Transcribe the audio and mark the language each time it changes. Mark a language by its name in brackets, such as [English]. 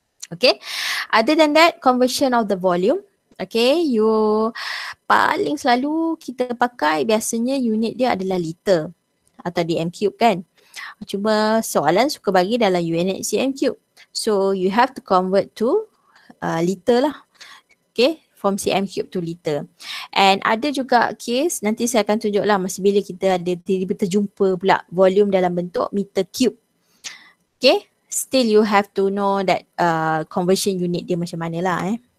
[English] Okay, other than that, conversion of the volume. [Malay] Okay, you paling selalu kita pakai biasanya unit dia adalah liter atau dm cube kan. Cuma soalan suka bagi dalam unit cm cube. [English] So you have to convert to liter lah. [Malay] Okay, [English] from cm cube to liter. [Malay] And ada juga case, nanti saya akan tunjuk lah masa bila kita ada tiba-tiba terjumpa pula volume dalam bentuk meter cube. [English] Okay, still you have to know that conversion unit [Malay] dia macam mana lah eh.